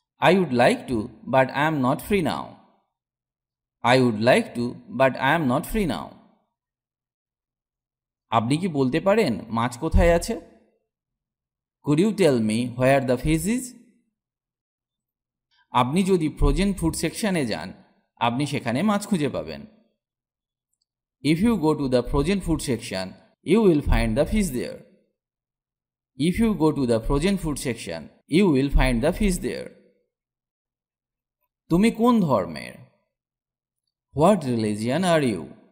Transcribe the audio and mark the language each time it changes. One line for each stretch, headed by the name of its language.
English: I would like to, but I am not free now. I would like to, but I am not free now.
Bangla: আপনি কি বলতে পারেন মাছ কোথায় আছে?
English: Could you tell me where the fish is?
Bangla: আপনি যদি frozen food সেকশনে যান, আপনি সেখানে মাছ খুঁজে পাবেন।
English: If you go to the frozen food section, you will find the fish there. If you go to the frozen food section, you will find the fish there.
Bangla: তুমি কোন ধর্মের?
English: What religion are you?